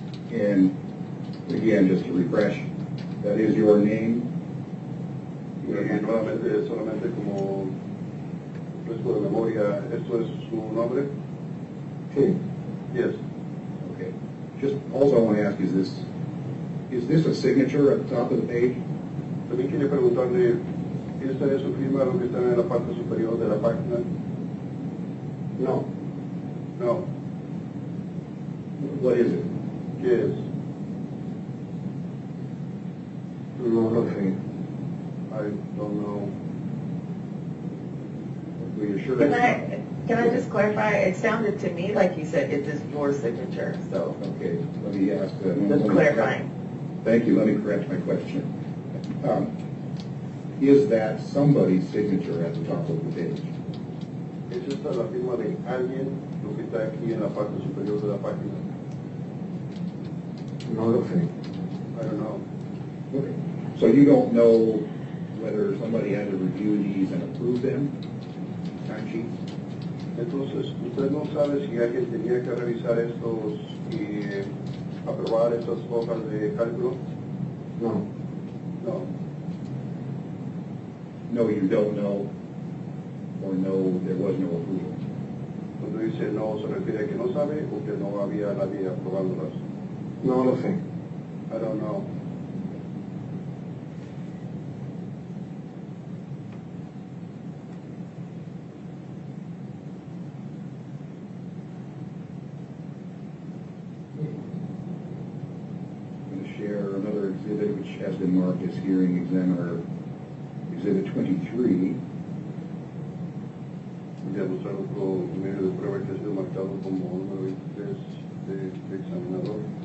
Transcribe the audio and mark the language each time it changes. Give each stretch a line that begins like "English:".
English: And again, just to refresh, that is your name.
Spanish: Nuevamente, solamente como resto de memoria, ¿esto es su nombre? Sí.
English: Yes. Okay. Just also I want to ask, is this a signature at the top of the page?
Spanish: También quería preguntarle, ¿esta es su firma lo que está en la parte superior de la página? No.
English: No. What is it?
Spanish: ¿Qué es? No lo sé.
English: I don't know. Well, you're sure can I just clarify? It sounded to me like you said it is your signature, so. Okay, let me ask. Just clarifying. Thank you, let me correct my question. Is that somebody's signature at the top of the page?
Spanish: ¿Es esta la firma de alguien lo que está aquí en la parte superior de la página? No lo sé.
English: I don't know. Okay. So you don't know whether somebody had to review these and approve them? Timesheets?
Spanish: Entonces, usted no sabe si alguien tenía que revisar estos y aprobar estas hojas de cálculo? No.
English: No. No, you don't know. Or no, there was no approval.
Spanish: Cuando dice no, se refiere a que no sabe o que no había nadie aprobándolas. No lo sé.
English: I don't know. I'm going to share another exhibit which has been marked as hearing examiner. Exhibit 23.
Spanish: Voy a mostrar otro medio de prueba que ha sido marcado como número 23 de examinador.